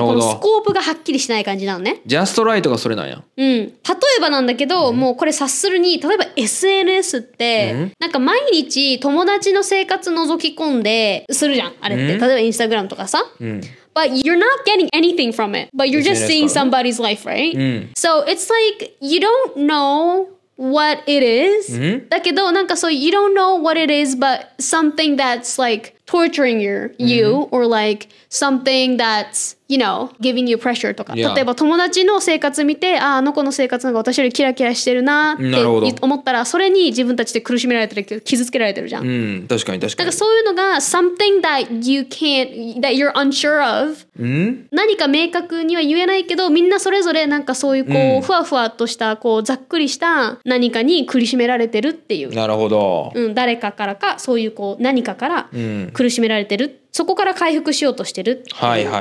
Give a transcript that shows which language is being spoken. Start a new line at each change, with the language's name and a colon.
Japanese: このスコープがはっきりしない感じなのね。
English: Just right
Japanese: がそれなんや。うん。例えばなんだけど、うん、もうこれ察するに、例えば SNS って、うん、なんか毎日友達の生活覗き込んでするじゃん、あれって、うん、例えばインスタグラムとかさ、うん、
English: But you're not getting anything from it. But you're just seeing somebody's life, right? Mm. So it's like, you don't know what it is. Mm-hmm.
Japanese: だけど、なんかそう、
English: you don't know what it is, but something that's like torturing you, you mm-hmm. or like something that's, you know, giving you pressure
Japanese: とか、
English: yeah.
Japanese: 例えば友達の生活見て、あ、あの子の生活が私よりキラキラしてるなって思ったら、それに自分たちで苦しめられてる、傷つけられてるじゃん。うん、確かに確かに。だからそういうのが
English: something that you can't, that you're unsure of、
Japanese: うん、何か明確には言えないけど、みんなそれぞれなんかそういうこう、うん、ふわふわとしたこうざっくりした何かに苦しめられてるっていう。なるほど。うん、誰かからかそういうこう何かから苦しめられてる。うん、そこから回復しようとしてるっていう話だね。